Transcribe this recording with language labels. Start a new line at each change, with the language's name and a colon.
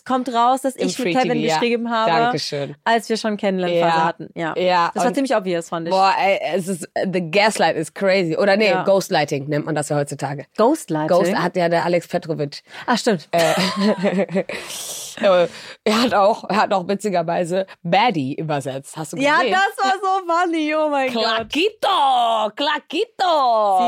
German: Ich verpisse mich jetzt, weil sonst kommt raus, dass ich mit Kevin geschrieben habe. Dankeschön. Als wir schon Kennenlernphase hatten. Ja. Das war ziemlich obvious, fand ich. Boah, ey, es ist,
English: the Gaslight is crazy.
German: Oder nee, ja. Ghostlighting nennt man das ja heutzutage. Ghostlighting? Ghost hat ja der Alex Petrovic. Ach, stimmt. Er hat auch witzigerweise Baddie übersetzt. Hast du gesehen? Ja, das war so funny. Oh mein Claquito, Gott. Claquito!